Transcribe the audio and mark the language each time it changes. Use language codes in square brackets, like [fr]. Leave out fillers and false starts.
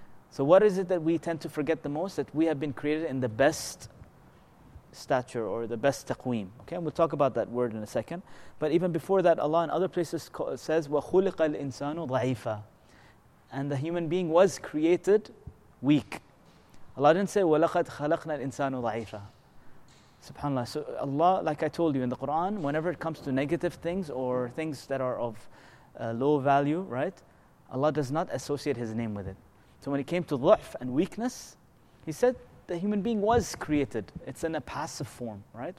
[en] So what is it that we tend to forget the most? That we have been created in the best stature or the best taqweem. Okay, and we'll talk about that word in a second. But even before that, Allah in other places says, [ar] وَخُلِقَ الْإِنسَانُ ضَعِيفًا. [en] And the human being was created weak. Allah didn't say, [ar] وَلَقَدْ خَلَقْنَا الْإِنسَانُ ضَعِيفًا. [en] SubhanAllah. So Allah, like I told you in the Quran, whenever it comes to negative things or things that are of low value, right? Allah does not associate His name with it. So when it came to ضعف and weakness, He said the human being was created. It's in a passive form, right?